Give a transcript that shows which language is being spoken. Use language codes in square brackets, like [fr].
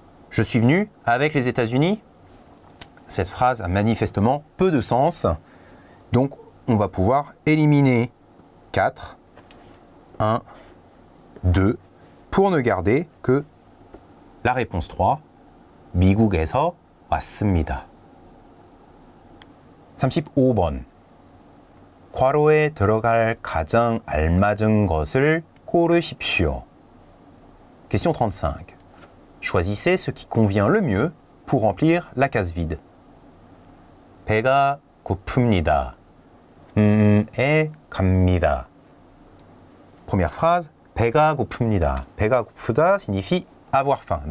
[fr] Je suis venu avec les États-Unis. Cette phrase a manifestement peu de sens. Donc, on va pouvoir éliminer 4, 1, 2, pour ne garder que la réponse 3, [ko] 미국에서 왔습니다. 35번. 과로에 들어갈 가장 알맞은 것을 고르십시오. [fr] Question 35. Choisissez ce qui convient le mieux pour remplir la case vide. [ko] 배가 고픕니다. 에 갑니다. [fr] Première phrase, [ko] 배가 고픕니다. 배가 고프다 [fr] signifie avoir faim.